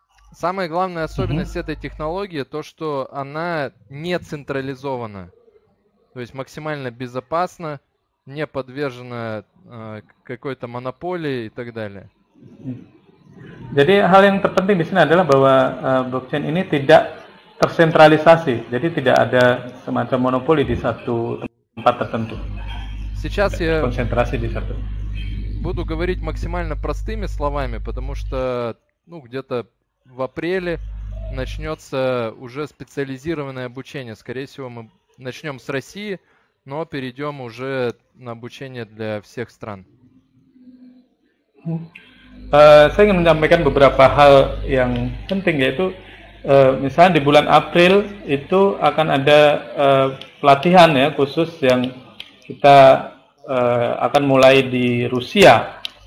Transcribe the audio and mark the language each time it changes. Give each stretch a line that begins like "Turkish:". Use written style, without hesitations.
Russian: Самая главная особенность этой технологии то, что она не централизована, то есть максимально безопасна, не подвержена какой-то монополии и так далее.
Indonesian: Jadi hal yang terpenting di sini adalah bahwa blockchain ini tidak tersentralisasi, jadi tidak ada semacam monopoli di satu tempat tertentu.
Russian: Сейчас я концентрации
Indonesian: di satu.
Russian: Буду говорить максимально простыми словами, потому что, ну, где-то в апреле начнется уже специализированное обучение. Скорее всего, мы начнем с России, но перейдем уже на обучение для всех стран.
Indonesian: Saya ingin menyampaikan beberapa hal yang penting, yaitu misalnya di bulan April itu akan ada pelatihan ya khusus yang kita akan mulai di Rusia.